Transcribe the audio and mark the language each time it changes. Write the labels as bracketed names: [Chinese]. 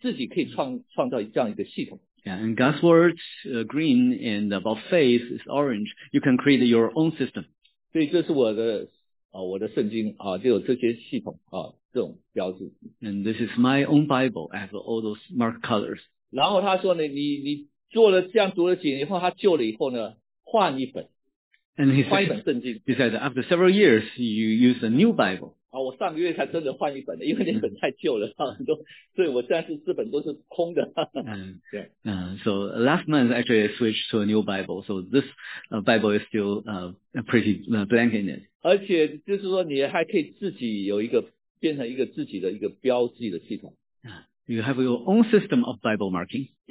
[Chinese] 所以，然后一些重要的词语啊，神的话，圣灵呢，你可以用不同的，你自己可以创造这样一个系统。 [English] Yeah, and God's words, green, and about faith is orange. You can create your own system. [Chinese] 所以这是我的圣经，就有这些系统，这种标志。 [English] And this is my own Bible. I have all those marked colors. [Chinese] 然后他说呢，你做了这样读了几年以后，他旧了以后呢，换一本， [English] and he said, [Chinese] 换一本圣经。 [English] He said after several years, you use a new Bible. [Chinese] 我上个月才真的换一本的，因为那本太旧了，所以我现在是这本都是空的。 [English] So last month actually I switched to a new Bible, so this Bible is still pretty blank in it. [Chinese] 而且就是说你还可以自己有一个变成一个自己的一个标记的系统。 [English] You have your own system of Bible marking.